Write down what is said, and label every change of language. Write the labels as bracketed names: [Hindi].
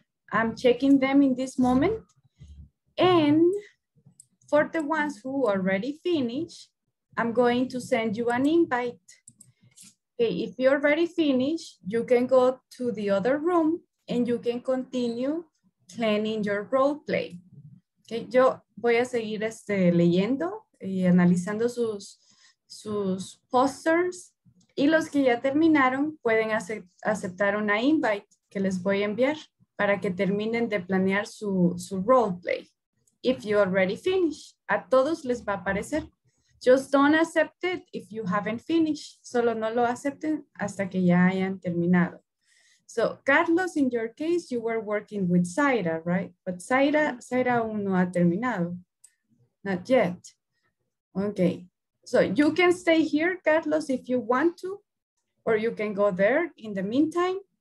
[English] I'm checking them in this moment. And for the ones who already finished, I'm going to send you an invite. Okay, if you're already finished, you can go to the other room and you can continue planning your role play. [Spanish] Okay, yo voy a seguir leyendo y analizando sus posters. Y los que ya terminaron pueden aceptar una invite que les voy a enviar para que terminen de planear su role play. [English] If you're already finished, [Spanish] a todos les va a aparecer. [English] Just don't accept it if you haven't finished. [Spanish] Solo no lo acepten hasta que ya hayan terminado. [English] So, Carlos, in your case, you were working with Zaira, right? [Spanish] But Zaira aún no ha terminado. [English] Not yet. [Spanish] Okay. [English] So, you can stay here, Carlos, if you want to. Or you can go there in the meantime.